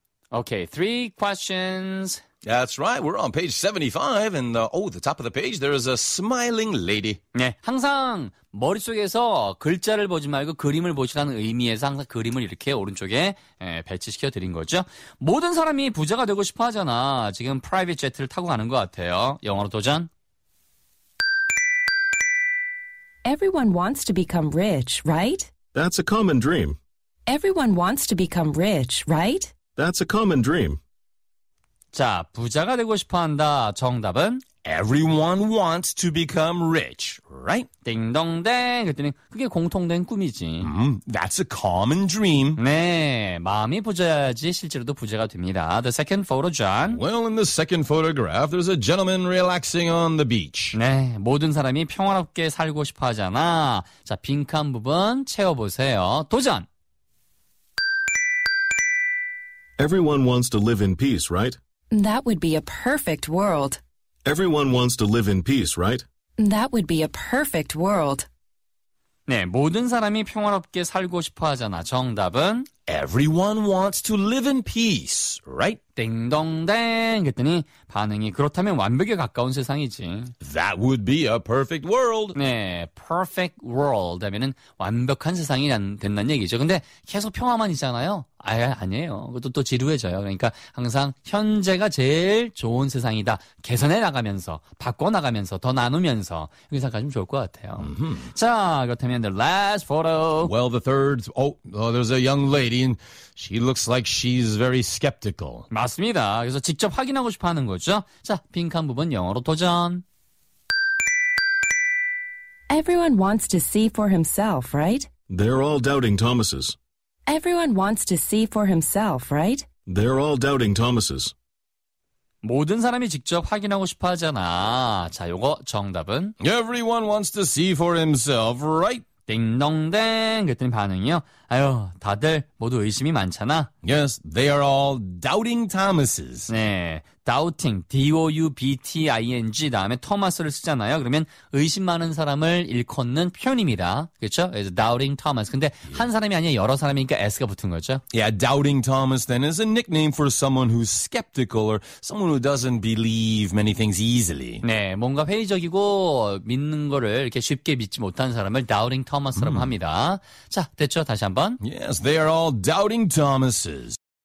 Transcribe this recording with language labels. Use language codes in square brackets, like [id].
[en] 오케이, 3 questions. That's right. We're on page 75 and the top of the page there is a smiling lady. [ko] 네, 항상 머릿속에서 글자를 보지 말고 그림을 보시라는 의미에서 항상 그림을 이렇게 오른쪽에 배치시켜 드린 거죠. 모든 사람이 부자가 되고 싶어 하잖아. 지금 프라이빗 제트를 타고 가는 것 같아요. 영어로 도전. [en] Everyone wants to become rich, right? That's a common dream. Everyone wants to become rich, right? That's a common dream. [ko] 자, 부자가 되고 싶어 한다. 정답은? [en] Everyone wants to become rich, right? [ko] 띵동댕. 그랬더니 그게 공통된 꿈이지. [en] That's a common dream. [ko] 네, 마음이 부자야지 실제로도 부자가 됩니다. [en] The second photo, John. Well, in the second photograph, there's a gentleman relaxing on the beach. [ko] 네, 모든 사람이 평화롭게 살고 싶어 하잖아. 자, 빈칸 부분 채워보세요. 도전! [en] Everyone wants to live in peace, right? That would be a perfect world. Everyone wants to live in peace, right? That would be a perfect world. [ko] 네, 모든 사람이 평화롭게 살고 싶어 하잖아. 정답은 [en] Everyone wants to live in peace, right? [ko] 띵동댕 그랬더니 반응이 그렇다면 완벽에 가까운 세상이지. [en] That would be a perfect world. [ko] 네, perfect world 하면은 완벽한 세상이 된다는 얘기죠. 근데 계속 평화만 있잖아요. 아니에요. 그것도 또 지루해져요. 그러니까 항상 현재가 제일 좋은 세상이다. 개선해 나가면서, 바꿔나가면서, 더 나누면서 이렇게 생각하시면 좋을 것 같아요. Mm-hmm. 자, 그렇다면 [en] the last photo. Well, the third. Oh, there's a young lady and she looks like she's very skeptical. [ko] 맞습니다. 그래서 직접 확인하고 싶어 하는 거죠. 자, 빈칸 부분 영어로 도전. [en] Everyone wants to see for himself, right? They're all doubting Thomas's. Everyone wants to see for himself, right? They're all doubting Thomas's. [ko] 모든 사람이 직접 확인하고 싶어 하잖아. 자, 요거 정답은? [en] Everyone wants to see for himself, right? [ko] 띵동댕 그랬더니 반응이요. 아유, 다들 모두 의심이 많잖아. [en] Yes, they are all doubting Thomas's. [ko] 네, doubting, D-O-U-B-T-I-N-G 다음에 Thomas를 쓰잖아요. 그러면 의심 많은 사람을 일컫는 표현입니다. 그렇죠? Doubting Thomas. 근데 yeah. 한 사람이 아니라 여러 사람이니까 S가 붙은 거죠. [en] Yeah, doubting Thomas then is a nickname for someone who's skeptical or someone who doesn't believe many things easily. [ko] 네, 뭔가 회의적이고 믿는 거를 이렇게 쉽게 믿지 못하는 사람을 doubting Thomas라고 합니다. 자, 됐죠? 다시 한번. [en] Yes, they are all doubting Thomas's.